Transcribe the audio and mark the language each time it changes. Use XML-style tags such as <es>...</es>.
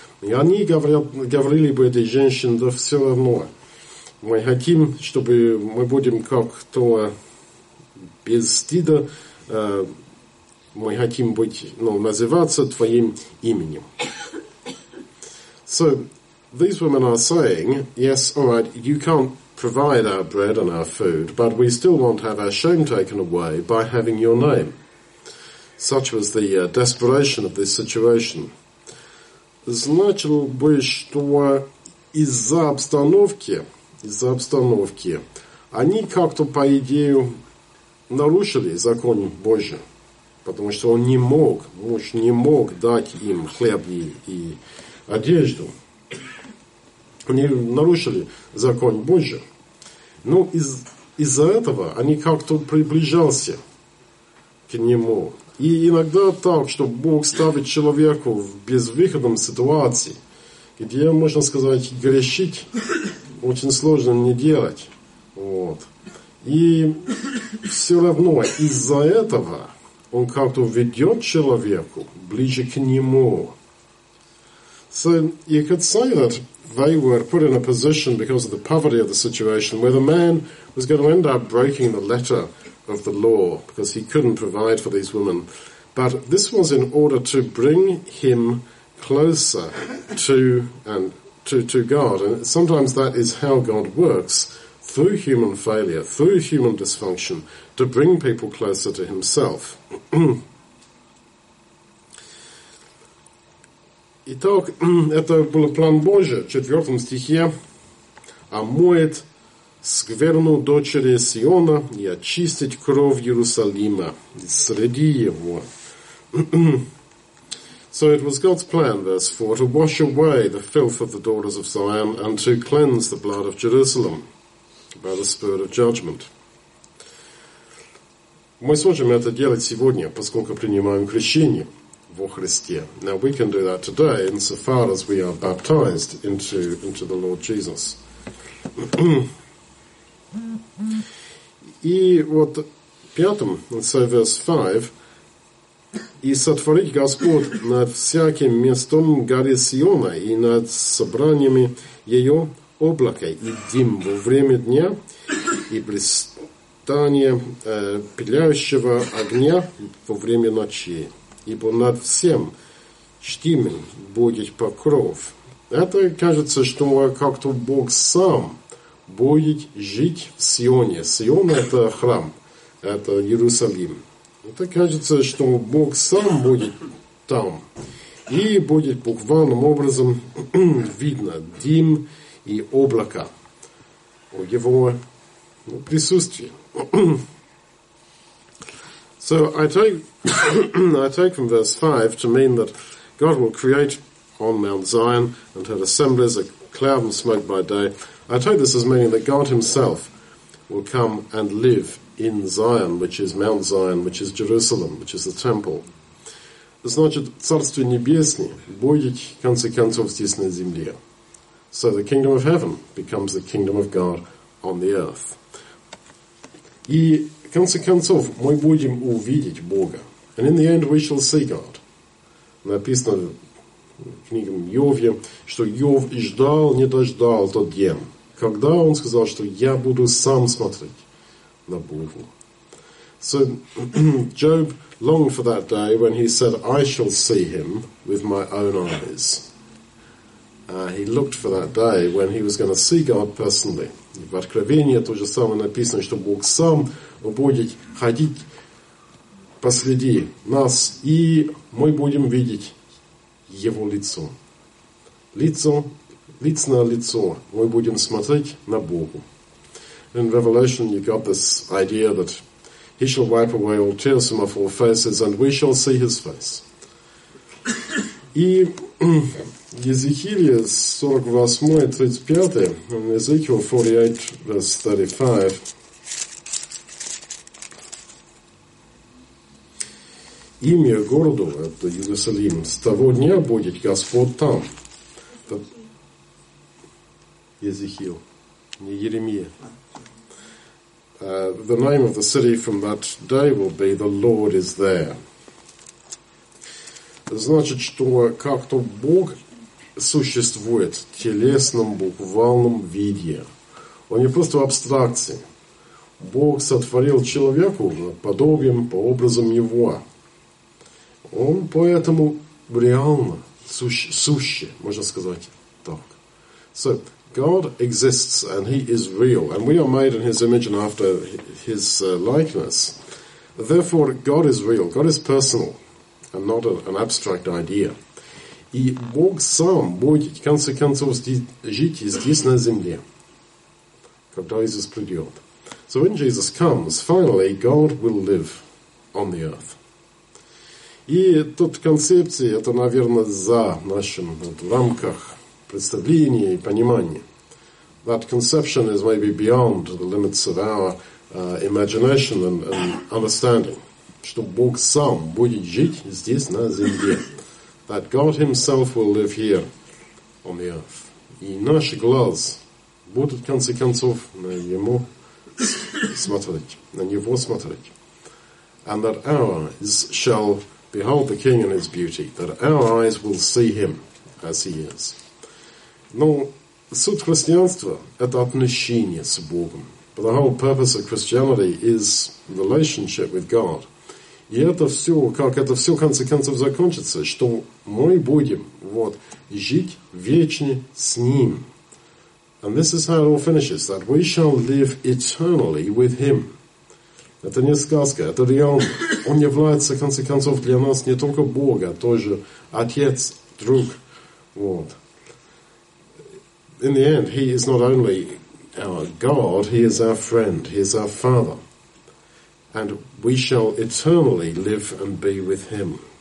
<ru>И они говорили бы этой женщине, да все равно. Мы хотим, чтобы мы будем как-то без стыда, мы хотим быть, ну, называться твоим именем.</ru> <en>So, these women are saying, yes, all right, you can't provide our bread and our food, but we still want to have our shame taken away by having your name. Such was the desperation of this situation.</en> <ru>Значило бы, что из-за обстановки, они как-то, по идее, нарушили закон Божий, потому что он не мог, муж не мог дать им хлеб и одежду. Они нарушили закон Божий. Но из-за этого они как-то приближались к нему. И иногда так, что Бог ставит человеку в безвыходном ситуации, где, можно сказать, грешить очень сложно не делать. Вот. И все равно из-за этого он как-то ведет человеку ближе к нему.</ru> <en>So you could say that they were put in a position because of the poverty of the situation where the man was going to end up breaking the letter of the law, because he couldn't provide for these women. But this was in order to bring him closer to God. And sometimes that is how God works, through human failure, through human dysfunction, to bring people closer to himself.</en> <ru>Итак, это был план Божий, 4 стихе, омоет скверну дочери Сиона и очистить кровь Иерусалима среди его.</ru> <en>So it was God's plan, verse 4, to wash away the filth of the daughters of Zion and to cleanse the blood of Jerusalem by the spirit of judgment.</en> <ru>Мы сможем это делать сегодня, поскольку принимаем крещение во Христе.</ru> <en>Now we can do that today insofar as we are baptized into the Lord Jesus.</en> <ru>И вот пятым,</ru> <en>so verse 5,</en> <ru>«И сотворит Господь над всяким местом горы Сиона и над собраниями ее облака и дым во время дня и блистание пыляющего огня во время ночи, ибо над всем чтимым будет покров». Это кажется, что как-то Бог сам будет жить в Сионе. Сион – это храм, это Иерусалим. Это кажется, что Бог сам будет там. И будет буквальным образом видно дым и облака в его присутствии.</ru> <en>So I take from verse 5 to mean that God will create on Mount Zion and her assemblies a cloud and smoke by day. I take this as meaning that God himself will come and live in Zion, which is Mount Zion, which is Jerusalem, which is the temple.</en> <ru>Значит, Царствие Небесное будет, в конце концов, здесь на земле.</ru> <en>So the kingdom of heaven becomes the kingdom of God on the earth.</en> <ru>И, в конце концов, мы будем увидеть Бога.</ru> <en>And in the end, we shall see God.</en> <ru>Написано в книге Иова, что Иов ждал, не дождал тот день, когда он сказал, что я буду сам смотреть на Бога.</ru> <en>So Job longed for that day when he said, I shall see him with my own eyes. He looked for that day when he was going to see God personally.</en> <ru>В Откровении то же самое написано, что Бог сам будет ходить посреди нас, и мы будем видеть Его лицо. Лицо на лицо. Мы будем смотреть на Бога.</ru> <en>In Revelation you got this idea that He shall wipe away all tears from our faces and we shall see His face.</en> <ru>И Езекииле 48:35,</ru> <en>Ezekiel 48:35,</en> <ru>имя городу, это Иерусалим, с того дня будет Господь там. Езекиил, не Еремия.</ru> <en>The name of the city from that day will be The Lord is there.</en> <ru>Значит, что как-то Бог существует в телесном, буквальном виде. Он не просто в абстракции. Бог сотворил человеку подобием, по образам его. Он поэтому реально суще, можно сказать так.</ru> <en>So, God exists and He is real. And we are made in His image and after His likeness. Therefore, God is real. God is personal. And not an abstract idea.</en> <ru>И Бог сам будет, в конце концов, жить здесь на земле, когда Иисус придет.</ru> <en>So when Jesus comes, finally, God will live on the earth.</en> <ru>И тут концепция, это, наверное, за нашим рамках представления и понимания.</ru> <en>That conception is maybe beyond the limits of our imagination and understanding.</en> <ru>Что Бог сам будет жить здесь, на земле.</ru> <en>That God Himself will live here on the earth.</en> <ru>И наши глаз будут, в конце концов, на Ему смотреть. На Него смотреть.</ru> <en>And that our eyes shall behold the King in His beauty. That our eyes will see Him as He is.</en> <ru>Но суть христианства – это отношение с Богом.</ru> <en>But the whole purpose of Christianity is relationship with God.</en> <ru>И это все, как это все в конце концов закончится, что мы будем вот жить вечно с Ним.</ru> <en>And this is how it all finishes, that we shall live eternally with Him.</en> <ru>Это не сказка, это реально. Он является, в конце концов, для нас не только Бога, а тоже Отец, Друг. Вот.</ru> <en>In the end, He is not only our God, He is our friend, He is our Father. And we shall eternally live and be with Him.</en>